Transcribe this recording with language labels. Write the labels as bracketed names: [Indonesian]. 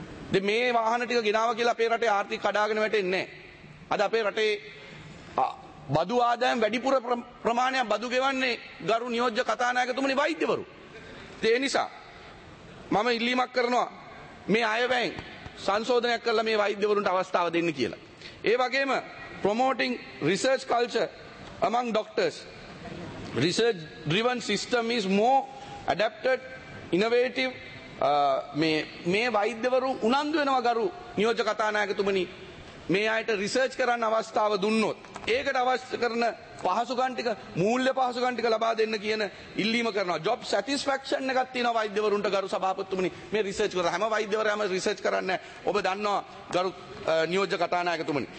[Sinhala] ඉතින් මේ වාහන ටික ගෙනාවා කියලා අපේ රටේ ආර්ථික කඩාගෙන වැටෙන්නේ නැහැ. අද අපේ රටේ බදු ආදායම් වැඩිපුර ප්‍රමාණයක් බදු ගෙවන්නේ ගරු නියෝජ්‍ය කතානායකතුමනි වෛද්‍යවරු. ඒ නිසා මම ඉල්ලීමක් කරනවා මේ අයවැයෙන් සංශෝධනයක් කරලා මේ වෛද්‍යවරුන්ට අවස්ථාව දෙන්න කියලා. ඒ වගේම [English] promoting research culture among doctors. Research driven system is more adapted, innovative. [Sinhala] මේ වෛද්‍යවරු උනන්දු වෙනවා ගරු නියෝජ කතානායකතුමනි මේ අයට රිසර්ච් කරන්න අවස්ථාව දුන්නොත්. ඒකට අවශ්‍ය කරන පහසුකම් ටික, මූල්‍ය පහසුකම් ටික ලබා දෙන්න කියන ඉල්ලීම කරනවා. ජොබ් සැටිස්ෆැක්ෂන් එකක් තියෙනවා වෛද්‍යවරුන්ට ගරු සභාපතිතුමනි. මේ රිසර්ච් කරලා හැම වෛද්‍යවරයම රිසර්ච් කරන්නේ ඔබ දන්නවා ගරු නියෝජ්‍ය කතානායකතුමනි.